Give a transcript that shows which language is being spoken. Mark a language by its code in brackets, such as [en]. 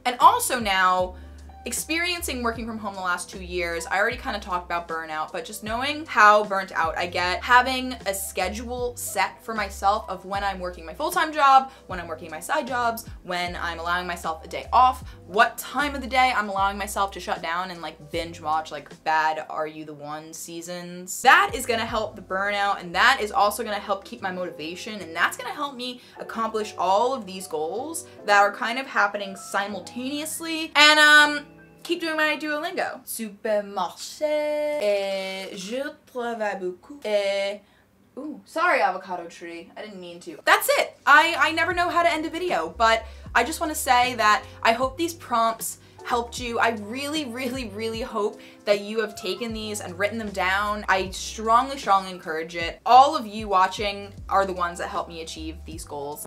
[en] And also now, experiencing working from home the last 2 years, I already kind of talked about burnout, but just knowing how burnt out I get, having a schedule set for myself of when I'm working my full-time job, when I'm working my side jobs, when I'm allowing myself a day off, what time of the day I'm allowing myself to shut down and like binge watch like bad Are You the One seasons. That is gonna help the burnout, and that is also gonna help keep my motivation, and that's gonna help me accomplish all of these goals that are kind of happening simultaneously. And keep doing my Duolingo. Supermarché. [fr] Et je travaille beaucoup. [en] Et... Ooh, sorry, avocado tree. I didn't mean to. That's it. I never know how to end a video, but I just want to say that I hope these prompts helped you. I really, really, really hope that you have taken these and written them down. I strongly, strongly encourage it. All of you watching are the ones that helped me achieve these goals.